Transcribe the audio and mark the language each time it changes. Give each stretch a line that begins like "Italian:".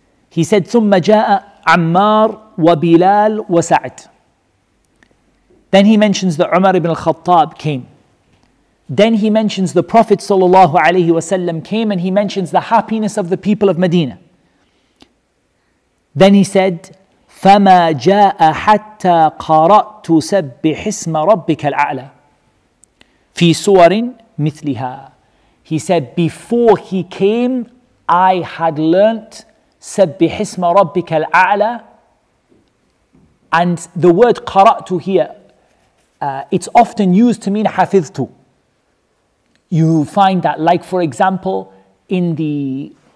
English: He said
Arabic: thumma jaa Ammar wa Bilal wa Sa'd.
English: Then he mentions that Umar ibn al-Khattab came. Then he mentions the Prophet sallallahu alayhi wasallam came, and he mentions the happiness of the people of Medina. Then he said,
Arabic: فَمَا جَاءَ حَتَّى قَرَأْتُ سَبِّحِ اسْمَ رَبِّكَ الْأَعْلَى فِي سُوَرٍ مِثْلِهَا.
English: He said, before he came, I had learnt
Arabic: سَبِّحِ اسْمَ رَبِّكَ الْأَعْلَى.
English: And the word قَرَأْتُ here, it's often used to mean حَفِظْتُ. You find that, like for example, in the...